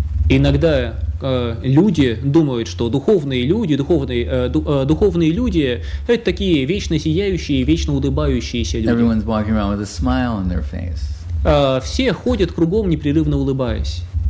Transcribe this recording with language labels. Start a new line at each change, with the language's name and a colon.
Russian: Иногда люди думают, что духовные люди это такие вечно сияющие, вечно улыбающиеся люди.
English: Everyone's walking around with a smile on their face.
Russian: Все ходят кругом, непрерывно улыбаясь.